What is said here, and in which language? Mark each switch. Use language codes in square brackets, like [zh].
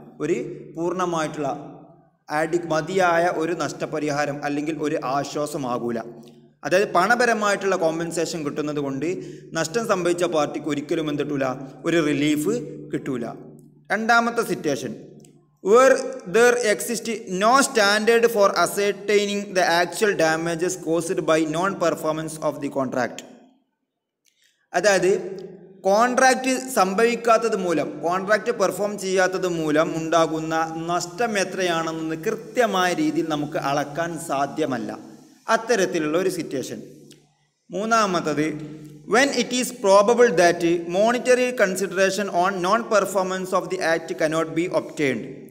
[ml] ഒരു പൂർണ്ണമായിട്ടുള്ള മതിയായ ഒരു നഷ്ടപരിഹാരം അല്ലെങ്കിൽ ഒരു ആശ്വാസമാകില്ല. അതായത് പണപരമായിട്ടുള്ള കോമ്പൻസേഷൻ കിട്ടുന്നത് കൊണ്ട് നഷ്ടം സംഭവിച്ച പാർട്ടിക്ക് ഒരിക്കലും എന്തിട്ടില്ല, ഒരു റിലീഫ് കിട്ടൂല. രണ്ടാമത്തെ situation, [en] Were there exist no standard for ascertaining the actual damages caused by non-performance of the contract? [ml] അതായത് കോൺട്രാക്റ്റ് സംഭവിക്കാത്തത് മൂലം, കോൺട്രാക്റ്റ് പെർഫോം ചെയ്യാത്തത് മൂലം ഉണ്ടാകുന്ന നഷ്ടം എത്രയാണെന്ന് കൃത്യമായ രീതിയിൽ നമുക്ക് അളക്കാൻ സാധ്യമല്ല. അത്തരത്തിലുള്ള ഒരു സിറ്റുവേഷൻ. മൂന്നാമത്തത്, [en] When it is probable that monetary consideration on non performance of the act cannot be obtained.